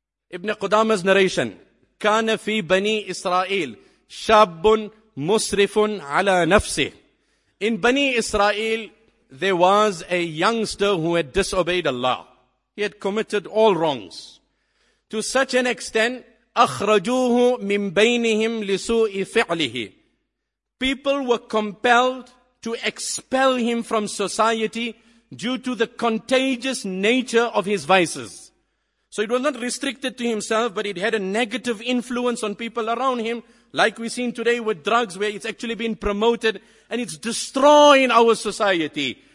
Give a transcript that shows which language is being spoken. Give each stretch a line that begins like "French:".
English: Ibn Qudama's narration,
Arabic: كان في بني إسرائيل شاب musrifun ala nafsi.
English: In Bani Israel, there was a youngster who had disobeyed Allah. He had committed all wrongs. To such an extent,
Arabic: أَخْرَجُوهُ مِنْ بَيْنِهِمْ لِسُوءِ فِعْلِهِ.
English: People were compelled to expel him from society due to the contagious nature of his vices. So it was not restricted to himself, but it had a negative influence on people around him, like we've seen today with drugs, where it's actually been promoted and it's destroying our society.